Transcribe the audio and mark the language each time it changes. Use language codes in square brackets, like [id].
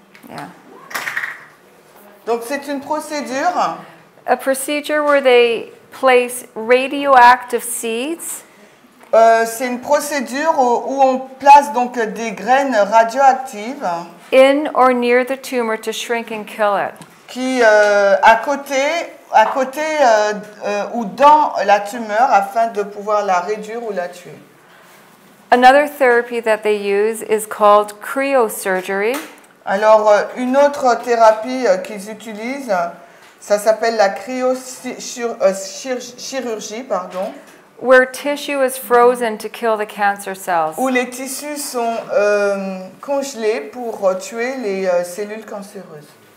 [fr] Yeah. Donc, c'est une procédure. [en] A procedure where they place radioactive seeds. [fr] C'est une procédure où on place donc des graines radioactives. [en] In or near the tumor to shrink and kill it. [fr] Qui à côté ou dans la tumeur afin de pouvoir la réduire ou la tuer. [en] Another therapy that they use is called cryosurgery. [fr] Alors une autre thérapie qu'ils utilisent, ça s'appelle la chirurgie, pardon. [en] Where tissue is frozen to kill the cancer cells. [fr] Où les tissus sont congelés pour tuer les cellules cancéreuses.